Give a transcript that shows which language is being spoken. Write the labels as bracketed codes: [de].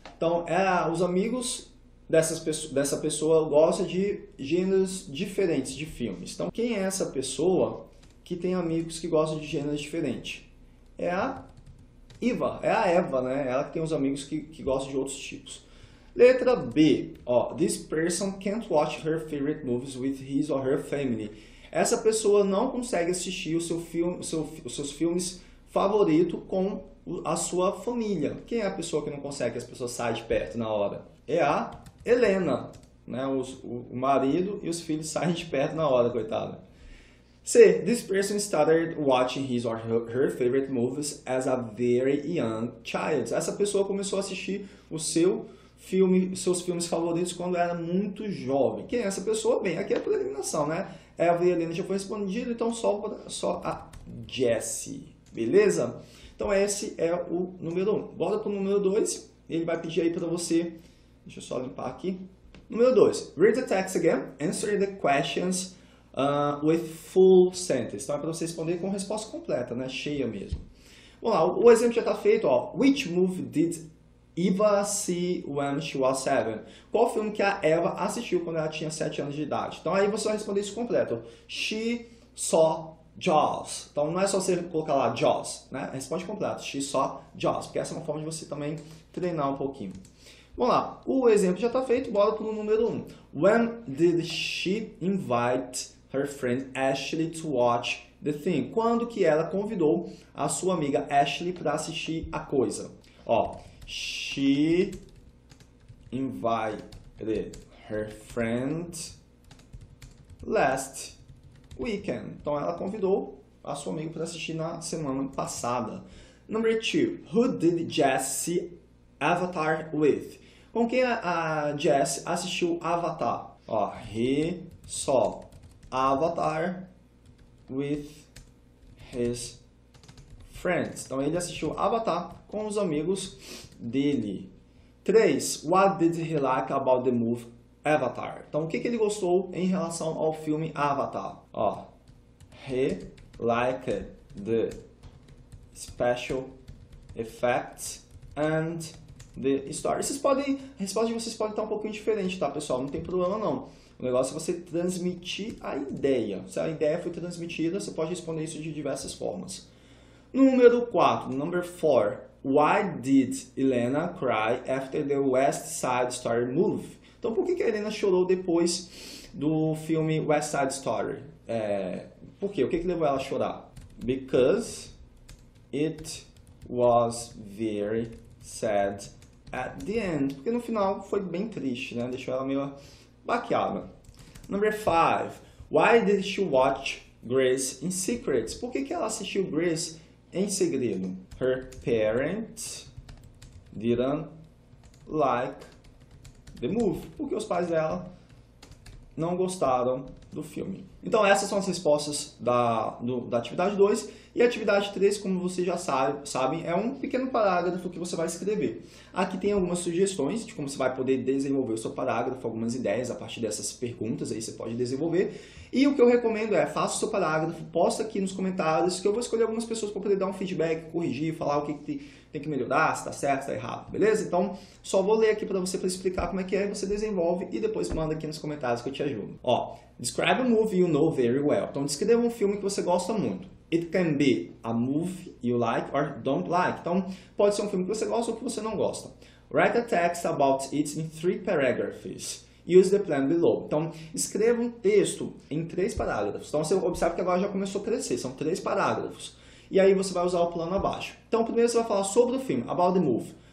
[pt] Então, os amigos dessa pessoa gostam de gêneros diferentes de filmes. Então, quem é essa pessoa que tem amigos que gostam de gêneros diferentes? É a Eva, é a Eva, né? Ela que tem os amigos que gostam de outros tipos. Letra B, ó, [en] this person can't watch her favorite movies with his or her family. [pt] Essa pessoa não consegue assistir os seus filmes favoritos com a sua família. Quem é a pessoa que não consegue, as pessoas saem de perto na hora? É a Helena, né, o marido e os filhos saem de perto na hora, coitada. [en] C, this person started watching his or her favorite movies as a very young child. [pt] Essa pessoa começou a assistir o seu seus filmes favoritos quando era muito jovem. Quem é essa pessoa? Bem, aqui é por eliminação, né? Eva e Helena já foi respondido, então só a Jessie. Beleza? Então esse é o número 1. Bora pro número 2. Ele vai pedir aí para você. Deixa eu só limpar aqui. Número 2. [en] Read the text again. Answer the questions with full sentence. [pt] Então é para você responder com resposta completa, né? Cheia mesmo. Vamos lá, o exemplo já está feito, ó. [en] Which movie did Eva see when she was 7? [pt] Qual filme que a Eva assistiu quando ela tinha 7 anos de idade? Então aí você vai responder isso completo. [en] She saw Jaws. [pt] Então não é só você colocar lá Jaws, né? Responde completo. [en] She saw Jaws. [pt] Porque essa é uma forma de você também treinar um pouquinho. Vamos lá. O exemplo já está feito. Bora para o número 1. [en] When did she invite her friend Ashley to watch the thing? [pt] Quando que ela convidou a sua amiga Ashley para assistir a coisa? [en] Ó. She invited her friend last weekend. [pt] Então, ela convidou a sua amiga para assistir na semana passada. [en] Number two, who did Jess see Avatar with? [pt] Com quem a Jess assistiu Avatar? Ó, [en] he saw Avatar with his friends. [pt] Então, ele assistiu Avatar com os amigos dele. 3. [en] What did he like about the movie Avatar? [pt] Então, o que ele gostou em relação ao filme Avatar? [en] Ó, he liked the special effects and the story. [pt] A resposta de vocês pode estar um pouquinho diferente, tá, pessoal? Não tem problema, não. O negócio é você transmitir a ideia. Se a ideia foi transmitida, você pode responder isso de diversas formas. Número 4, [en] number 4. Why did Elena cry after the West Side Story movie? [pt] Então, por que a Elena chorou depois do filme West Side Story? Por quê? O que levou ela a chorar? [en] Because it was very sad at the end. [pt] Porque no final foi bem triste, né? Deixou ela meio baqueada. [en] Number 5. Why did she watch Grace in secret? [pt] Por que ela assistiu Grace em segredo? [en] Her parents didn't like the movie. [pt] Porque os pais dela não gostaram do filme. Então, essas são as respostas da atividade 2. E a atividade 3, como vocês já sabem, é um pequeno parágrafo que você vai escrever. Aqui tem algumas sugestões de como você vai poder desenvolver o seu parágrafo, algumas ideias a partir dessas perguntas aí você pode desenvolver. E o que eu recomendo é, faça o seu parágrafo, posta aqui nos comentários, que eu vou escolher algumas pessoas para poder dar um feedback, corrigir, falar o que tem que melhorar, se está certo, se está errado, beleza? Então, só vou ler aqui para você, para explicar como é que é, você desenvolve e depois manda aqui nos comentários que eu te ajudo. [en] Ó, describe a movie you know very well. [pt] Então, descreva um filme que você gosta muito. [en] It can be a movie you like or don't like. [pt] Então, pode ser um filme que você gosta ou que você não gosta. [en] Write a text about it in 3 paragraphs. Use the plan below. [pt] Então, escreva um texto em 3 parágrafos. Então, você observa que agora já começou a crescer. São 3 parágrafos. E aí, você vai usar o plano abaixo. Então, primeiro você vai falar sobre o filme, [en] about the movie.